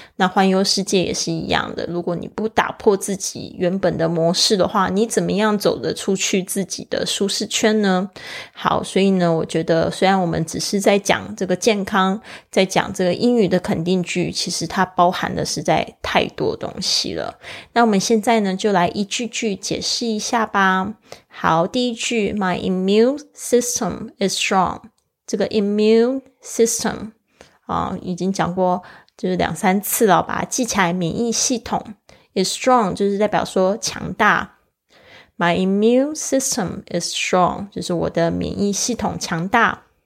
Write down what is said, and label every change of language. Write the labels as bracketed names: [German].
[Chinese] 那环游世界也是一样的，如果你不打破自己原本的模式的话，你怎么样走得出去自己的舒适圈呢？好，所以呢，我觉得虽然我们只是在讲这个健康，在讲这个英语的肯定句，其实它包含的实在太多东西了。那我们现在呢，就来一句句解释一下吧。好，第一句 [English] My immune system is strong。 [Chinese] 这个 immune system 啊，已经讲过就是两三次了，把它记起来。免疫系统 [English] is strong， [Chinese] 就是代表说强大。 [English] My immune system is strong， [Chinese] 就是我的免疫系统强大。